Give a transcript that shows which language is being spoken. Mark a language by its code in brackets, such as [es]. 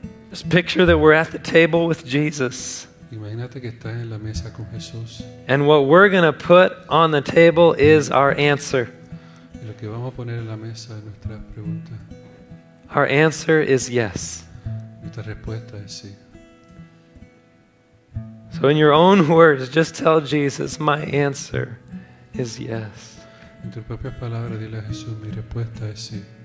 [en] just picture that we're at the table with Jesus. [es] Imagínate que estás en la mesa con Jesús. [en] And what we're going to put on the table is our answer. [es] Y lo que vamos a poner en la mesa es nuestra pregunta. [en] Our answer is yes. [es] Nuestra respuesta es sí. [en] So in your own words, just tell Jesus, my answer is yes. [es] En tu propia palabra, dile a Jesús, mi respuesta es sí.